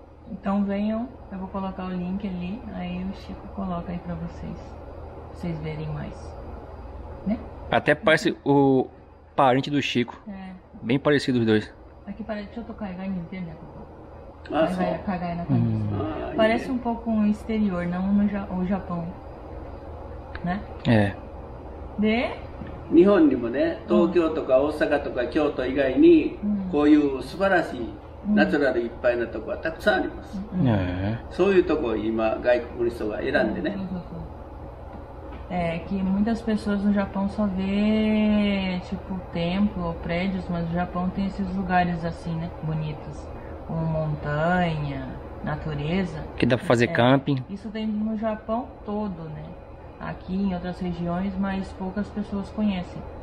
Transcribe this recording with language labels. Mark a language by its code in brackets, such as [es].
[pt] Então venham, eu vou colocar o link ali, aí o Chico coloca aí pra vocês verem mais. Né? Até parece o parente do Chico. É. Bem parecido os dois. Aqui parece... Deixa eu tocar, vai entender, né? Ah, vai cagar aí na cabeça. Parece um pouco um exterior, não o Japão. Né? É. [ja] で日本にもね東京とか大阪とか京都以外にこういう素晴らしいナチュラルいっぱいなとこはたくさんあります。そういうとこを今外国の人が選んでね。 [pt] que muitas pessoas no Japão só vê tipo templo ou prédios, mas o Japão tem esses lugares assim, né, bonitos, com montanha, natureza, que dá para fazer camping. Isso tem no Japão todo, né, aqui em outras regiões, mas poucas pessoas conhecem.